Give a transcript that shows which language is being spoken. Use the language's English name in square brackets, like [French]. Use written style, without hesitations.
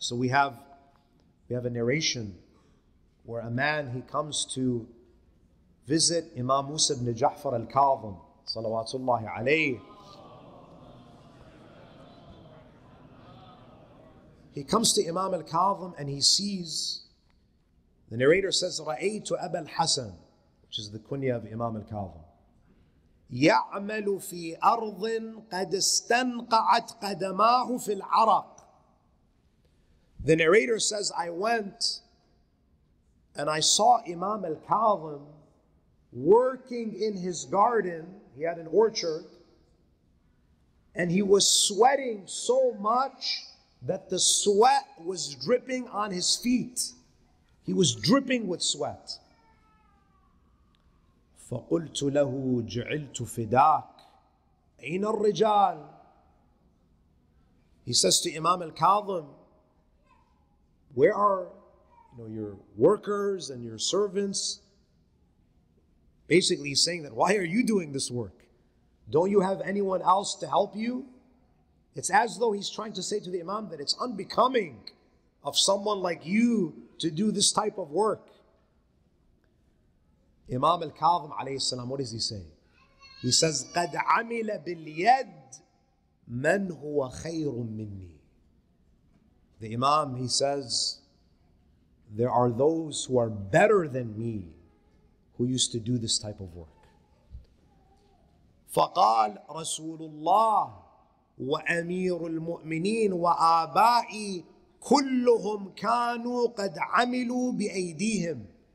[English] So we have a narration where a man, he comes to visit Imam Musa ibn Ja'far al-Kadhim, salawatullahi alayhi. He comes to Imam al-Kadhim and he sees, the narrator says, [Arabic] Ra'aytu Aba al-Hasan, [English] which is the kunya of Imam al-Kadhim. [Arabic] يعمل في أرض قد استنقعت قدماه في العرق. [English] The narrator says, I went and I saw Imam al-Kadhim working in his garden. He had an orchard and he was sweating so much that the sweat was dripping on his feet. He was dripping with sweat. [Arabic] فقلت له جعلت فداك أين الرجال. [English] He says to Imam al-Kadhim, where are, you know, your workers and your servants? Basically he's saying that, why are you doing this work? Don't you have anyone else to help you? It's as though he's trying to say to the Imam that it's unbecoming of someone like you to do this type of work. Imam al-Kadhim alayhi salam, what does he say? He says, [Arabic] قَدْ عَمِلَ بِالْيَدْ مَنْ هُوَ خَيْرٌ مِّنِّي. [English] The Imam, he says, there are those who are better than me who used to do this type of work. [Arabic] فَقَالْ رَسُولُ اللَّهِ وَأَمِيرُ الْمُؤْمِنِينَ وَآبَائِي كُلُّهُمْ كَانُوا قَدْ عَمِلُوا بِأَيْدِيهِمْ.